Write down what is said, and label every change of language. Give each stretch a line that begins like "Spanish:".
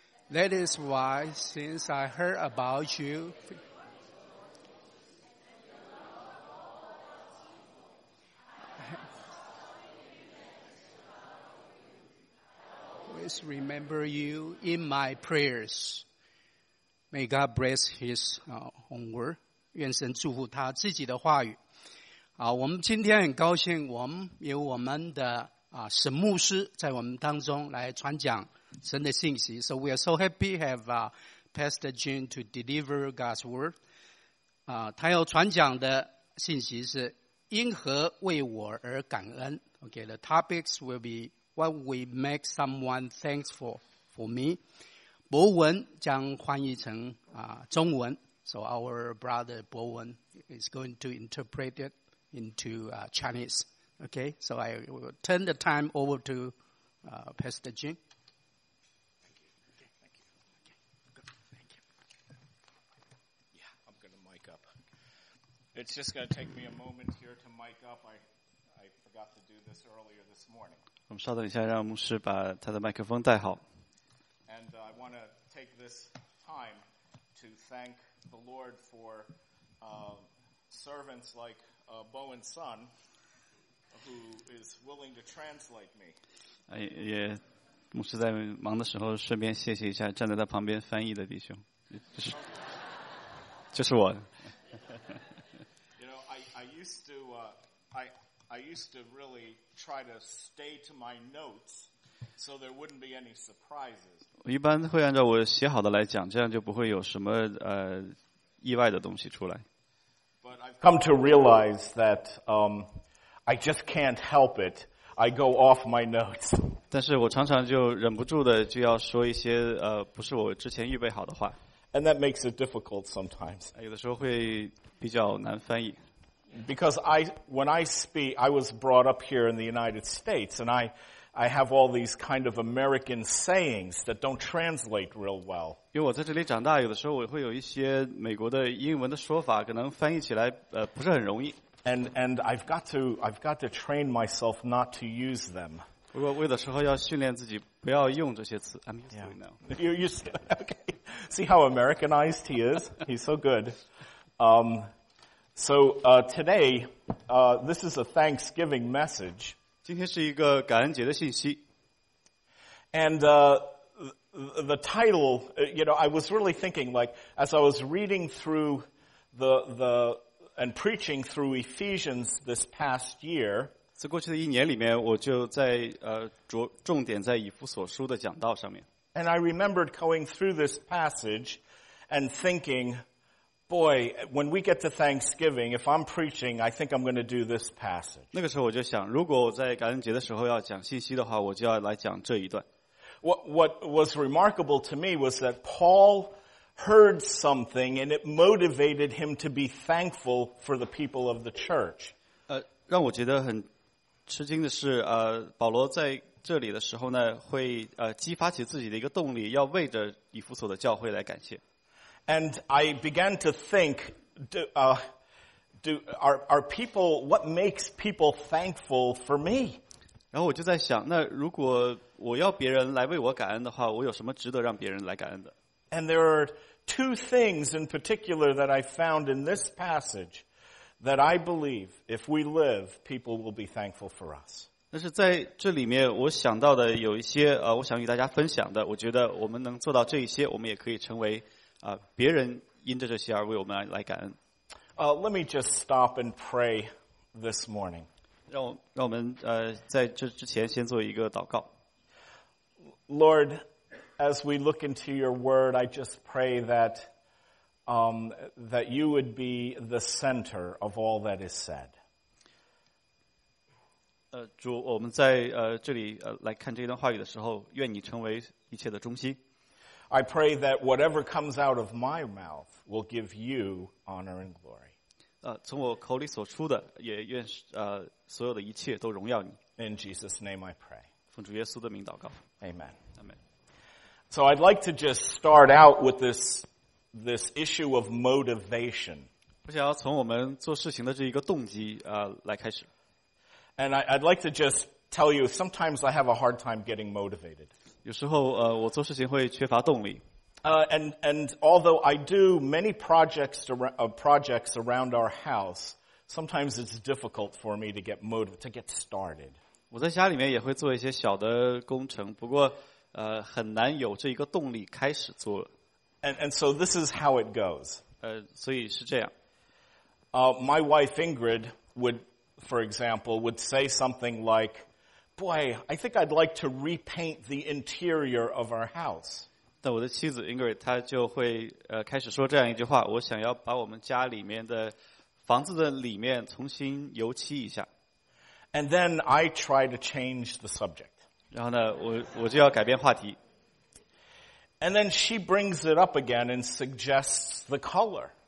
English: That is why, since I heard about you, always remember you in my prayers. May God bless His own word.
Chinese: 愿神祝福他自己的话语。好，我们今天很高兴，我们有我们的沈牧师在我们当中来传讲神的信息。
English: So we are so happy have Pastor Jim to deliver God's word.
Chinese: 他要传讲的信息是因何为我而感恩。
English: Okay, the topics will be what we make someone thankful for me.
Chinese: 博文将翻译成中文
English: So our brother 博文 is going to interpret it into Chinese. Okay, so I will turn the time over to Pastor Jim. Thank you. Okay, thank you. Yeah, I'm going to mic up. It's just going to take me a moment here to mic up. I forgot to do this earlier this morning.
Chinese: 我们稍等一下，让牧师把他的麦克风带好。
English: And I want to take this time to thank the Lord for servants like Bowen's son, who is willing to translate me.
Chinese: 也牧师在忙的时候顺便谢谢一下站在他旁边翻译的弟兄，就是我。
English: You know, I used to really try to stay to my notes. So there wouldn't be any surprises.
Chinese: 我一般会按照我写好的来讲，这样就不会有什么意外的东西出来。
English: But I've come to realize that I just can't help it. I go off my notes.
Chinese: 但是我常常就忍不住的就要说一些不是我之前预备好的话。
English: And that makes it difficult sometimes.
Chinese: 有的时候会比较难翻译。
English: Because when I speak, I was brought up here in the United States, and I have all these kind of American sayings that don't translate real well.
Chinese: 因为我在这里长大，有的时候我会有一些美国的英文的说法，可能翻译起来不是很容易。
English: And I've got to train myself not to use them.
Chinese: 不过为的时候要训练自己不要用这些词。
English: I'm used to it now. See how Americanized he is? He's so good. So today, this is a Thanksgiving message.
Chinese: 今天是一个感恩节的信息。
English: And the title, you know, I was really thinking, like, as I was reading through and preaching through Ephesians this past year,
Chinese: 在过去的一年里面，我就在重点在以弗所书的讲道上面。
English: And I remembered going through this passage and thinking, boy, when we get to Thanksgiving, if I'm preaching, I think I'm going to do this passage.
Chinese: 那个时候我就想，如果我在感恩节的时候要讲信息的话，我就要来讲这一段。
English: What was remarkable to me was that Paul heard something and it motivated him to be thankful for the people of the church.
Chinese: 让我觉得很吃惊的是，保罗在这里的时候呢，会激发起自己的一个动力，要为着以弗所的教会来感谢。
English: And I began to think, are people, what makes people thankful for me?
Chinese: 然后我就在想，那如果我要别人来为我感恩的话，我有什么值得让别人来感恩的？
English: And there are two things in particular that I found in this passage that I believe if we live, people will be thankful for us.
Chinese: 但是在这里面，我想到的有一些我想与大家分享的，我觉得我们能做到这一些，我们也可以成为别人因着这些而为我们来感恩。
English: Let me just stop and pray this morning.
Chinese: 让我们在这之前先做一个祷告。
English: Lord, as we look into your word, I just pray that, that you would be the center of all that is said.
Chinese: 主，我们在这里来看这段话语的时候，愿你成为一切的中心。
English: I pray that whatever comes out of my mouth will give you honor and glory.
Chinese: 从我口里所出的，也愿所有的一切都荣耀你。
English: In Jesus' name I pray.
Chinese: 奉主耶稣的名祷告。
English: Amen. Amen. So I'd like to just start out with this issue of motivation.
Chinese: 我想要从我们做事情的这一个动机来开始。
English: And I'd like to just tell you, sometimes I have a hard time getting motivated.
Chinese: 有时候我做事情会缺乏动力。
English: And although I do many projects around our house, sometimes it's difficult for me to get motivated, to get started.
Chinese: 我在家里面也会做一些小的工程，不过很难有这一个动力开始做。
English: And so this is how it goes.
Chinese: 所以是这样。
English: My wife Ingrid would say something like, boy, I think I'd like to repaint the interior of our house.
Chinese: 但我的妻子 Ingrid, 她就会开始说这样一句话，我想要把我们家里面的房子的里面重新油漆一下。
English: And then I try to change the subject.
Chinese: 然后呢，我就要改变话题。
English: And then she brings it up again and suggests the color.